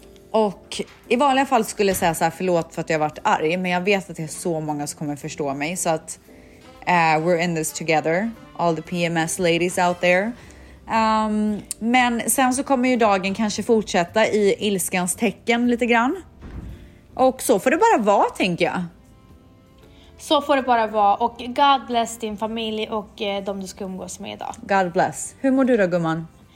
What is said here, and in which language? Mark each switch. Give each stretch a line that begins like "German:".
Swedish: Och i vanliga fall skulle jag säga så här, förlåt för att jag har varit arg. Men jag vet att det är så många som kommer förstå mig. Så att
English: we're in this together. All the PMS ladies out there.
Swedish: Men sen så kommer ju dagen kanske fortsätta i ilskans tecken lite grann. Och så får det bara vara, tänker jag. Så får det bara vara. Och
English: God bless
Swedish: din familj och de du ska umgås med idag.
English: God bless.
Swedish: Hur mår du då, gumman?